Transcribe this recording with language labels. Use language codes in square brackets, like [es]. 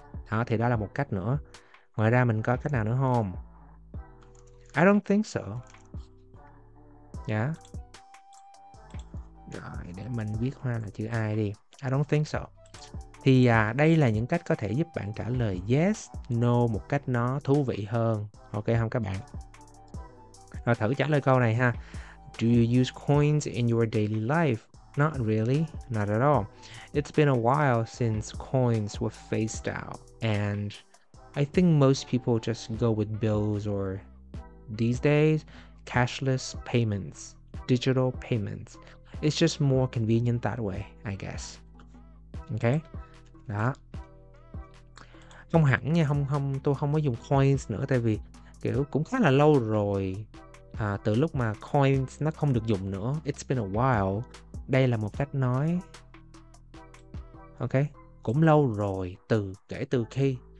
[vi] Đó, thì đó là một cách nữa. Ngoài ra mình có cách nào nữa không? [en] I don't think so. Yeah. [vi] Rồi, để mình viết hoa là chữ I đi. [en] I don't think so. [vi] Thì đây là những cách có thể giúp bạn trả lời yes, no một cách nó thú vị hơn. Ok không các bạn? Rồi thử trả lời câu này ha. [en] Do you use coins in your daily life? Not really, not at all. It's been a while since coins were phased out. And I think most people just go with bills or these days, cashless payments. digital payments. It's just more convenient that way, I guess. [vi] Ok. Đó. Không hẳn nha, không không tôi không có dùng coins nữa tại vì kiểu cũng khá là lâu rồi. À, từ lúc mà coins nó không được dùng nữa. [en] It's been a while. [vi] Đây là một cách nói. Ok. Cũng lâu rồi từ kể từ khi.